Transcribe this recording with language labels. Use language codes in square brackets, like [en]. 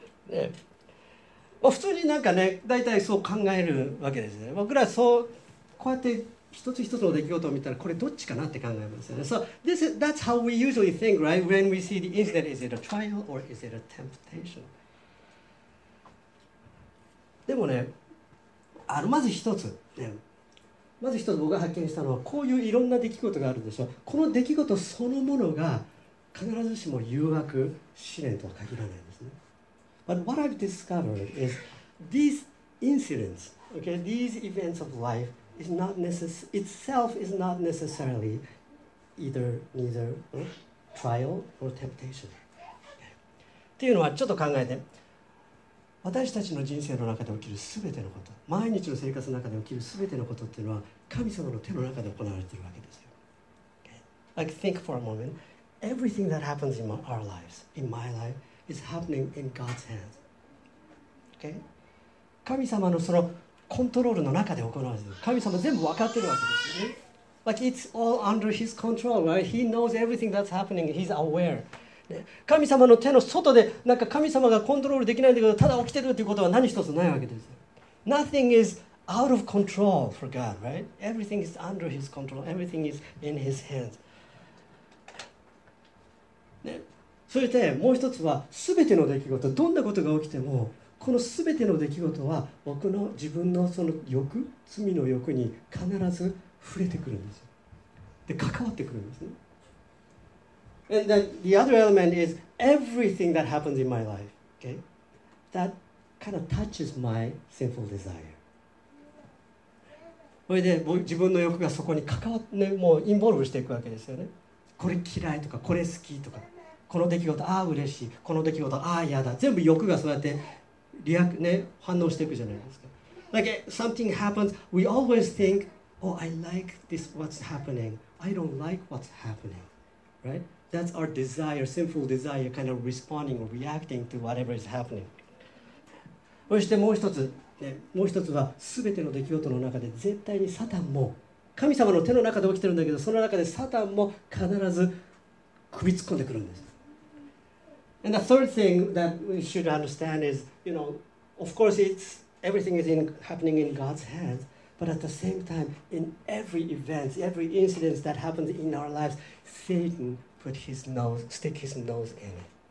[ja] ね、まあ、普通になんかね、大体そう考えるわけですね。僕らそう、こうやって一つ一つの出来事を見たらこれどっちかなって考えますよね。 [en] So this is, that's how we usually think, right? When we see the incident, is it a trial or is it a temptation? [ja] でもね、あのまず一つ、ね、まず一つ僕が発見したのは、こういういろんな出来事があるんですよ。この出来事そのものが必ずしも誘惑、試練とは限らないんですね。 [en] But what I've discovered is these incidents, okay, these events of life is not itself is not necessarily either neither trial or temptation. [ja] っていうのはちょっと考えて、私たちの人生の中で起きる全てのこと、毎日の生活の中で起きる全てのことっていうのは神様の手の中で行われているわけですよ。 [en] Okay. Like, think for a moment. Everything that happens in our lives, in my life, is happening in God's hands. Okay? [ja] 神様のそのコントロールの中で行われている。神様全部分かっているわけですよね。 [en] Like, it's all under His control, right? He knows everything that's happening. He's aware. [ja] 神様の手の外でなんか神様がコントロールできないんだけど、ただ起きてるということは何一つないわけです。 [en] Nothing is out of control for God, right? Everything is under His control. Everything is in His hands.、 [ja] ね、そしてもう一つは、すべての出来事、どんなことが起きても、このすべての出来事は僕の自分のその欲、罪の欲に必ず触れてくるんです。で、関わってくるんですね。 [en] And then the other element is everything that happens in my life, okay, that kind of touches my sinful desire. [ja] それで自分の欲がそこに関わって、もうインボルブしていくわけですよね。これ嫌いとか、これ好きとか、この出来事、ああ嬉しい、この出来事、ああ嫌だ、全部欲がそうやってリアク、ね、反応していくじゃないですか。 [en] Like something happens, we always think, oh, I like this what's happening. I don't like what's happening, right? That's our desire, sinful desire, kind of responding or reacting to whatever is happening. [ja] そしてもう一つ、ね、もう一つは、すべての出来事の中で絶対にサタンも、神様の手の中で起きてるんだけど、その中でサタンも必ず首突っ込んでくるんです。 [en] And the third thing that we should understand is, you know, of course, it's, everything is in, happening in God's hands. But at the same time, in every event, every incident that happens in our lives, Satan put his nose, stick his nose in it.